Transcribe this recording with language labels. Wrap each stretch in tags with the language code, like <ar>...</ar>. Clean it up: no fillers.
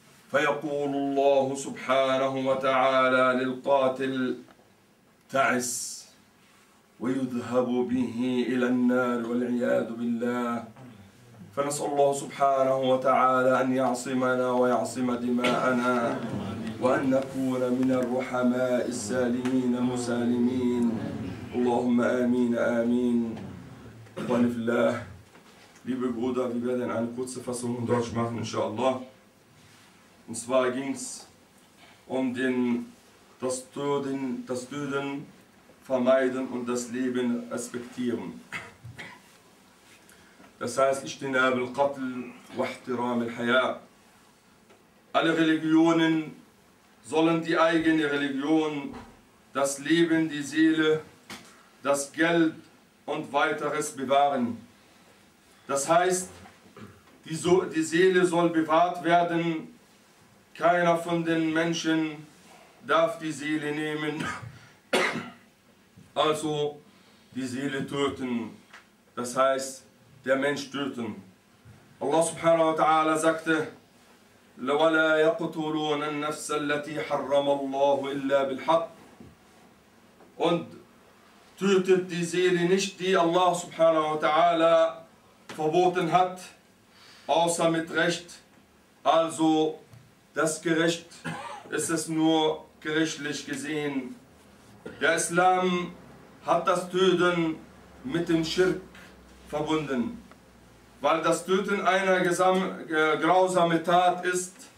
<ar>فيقول الله سبحانه وتعالى للقاتل: تعس، ويذهب به إلى النار والعياذ بالله. فنسأل الله سبحانه وتعالى أن يعصمنا ويعصم دماءنا، وأن نكون من الرحماء السالمين المسالمين. اللهم آمين آمين. إخواني في الله،</ar> <de>liebe Brüder, wir werden eine kurze Fassung in Deutsch machen, inshallah. Und zwar ging es um das Töten vermeiden und das Leben respektieren. Das heißt,</de> <ar>اجتناب القتل واحترام الحياة.</ar> <de>Alle Religionen sollen die eigene Religion, das Leben, die Seele, das Geld und weiteres bewahren. Das heißt, die Seele soll bewahrt werden. Keiner von den Menschen darf die Seele nehmen, also die Seele töten. Das heißt, der Mensch töten. Allah subhanahu wa ta'ala sagte:</de> <ar>وَلَا يَقْتُلُونَ النَّفْسَ الَّتِي حَرَّمَ اللَّهُ إِلَّا بِالْحَقِّ.</ar> <de>Und tötet die Seele nicht, die Allah subhanahu wa ta'ala verboten hat, außer mit Recht, also das Gericht ist es nur gerichtlich gesehen. Der Islam hat das Töten mit dem Schirk verbunden, weil das Töten einer grausame Tat ist.</de>